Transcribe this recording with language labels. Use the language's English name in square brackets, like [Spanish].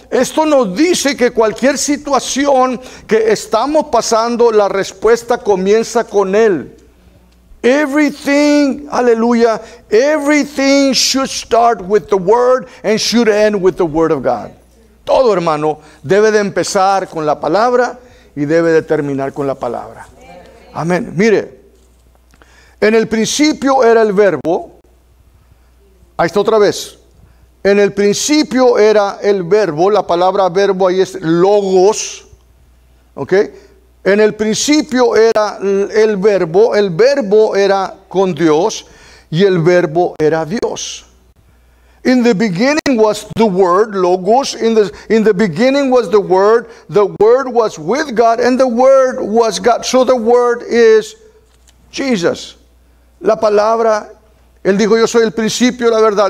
[Spanish] Esto nos dice que cualquier situación que estamos pasando, la respuesta comienza con Él. [English] Everything, hallelujah, everything should start with the Word and should end with the Word of God. [Spanish] Todo, hermano, debe de empezar con la palabra y debe de terminar con la palabra. Amén. Mire, en el principio era el verbo. Ahí está otra vez. En el principio era el verbo, la palabra verbo ahí es logos, ¿ok? En el principio era el verbo era con Dios y el verbo era Dios. [English] In the beginning was the word, logos, in the beginning was the word was with God and the word was God. So the word is Jesus. [Spanish] La palabra, Él dijo, yo soy el principio, la verdad.